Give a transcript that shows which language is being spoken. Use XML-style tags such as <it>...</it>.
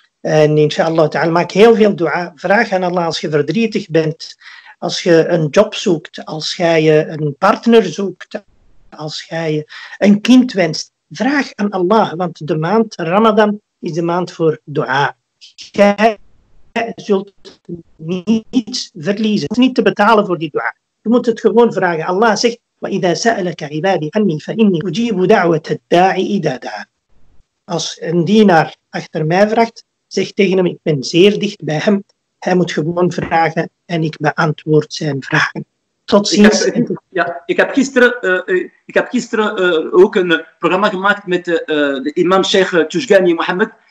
<nl>En inshallah ta'ala, maak heel veel dua. Vraag aan Allah als je verdrietig bent, als je een job zoekt, als jij een partner zoekt, als jij een kind wenst. Vraag aan Allah, want de maand Ramadan is de maand voor dua. Jij zult niets verliezen. Je hoeft niet te betalen voor die dua. Je moet het gewoon vragen. Allah zegt,</nl> <ar>وَإِذَا سَأَلَكَ عِبَادِي عَنِّي فَإِنِّي أُجِيبُ دَعْوَةَ الدَّاعِ إِذَا دَعَى.</ar> <nl>Als een dienaar achter mij vraagt, zeg tegen hem, ik ben zeer dicht bij hem. Hij moet gewoon vragen en ik beantwoord zijn vragen. Tot ziens. Ik heb gisteren ook een programma gemaakt met de imam Sheikh Tushgani Mohammed.</nl>